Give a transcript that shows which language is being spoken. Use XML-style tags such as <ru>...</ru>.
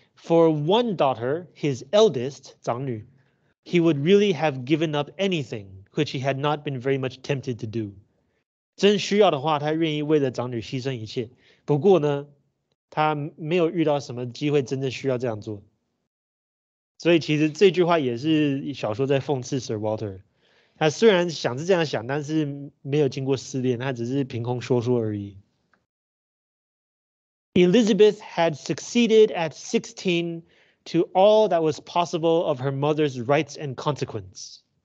<en>For one daughter, his eldest, 长女, he would really have given up anything which he had not been very much tempted to do.</en> <zh>真需要的话，他愿意为了长女牺牲一切。不过呢，他没有遇到什么机会真正需要这样做。所以其实这句话也是小说在讽刺 Sir Walter。他虽然想是这样想，但是没有经过思辨，他只是凭空说说而已。</zh> <en>Elizabeth had succeeded at 16 to all that was possible of her mother's rights and consequence.</en>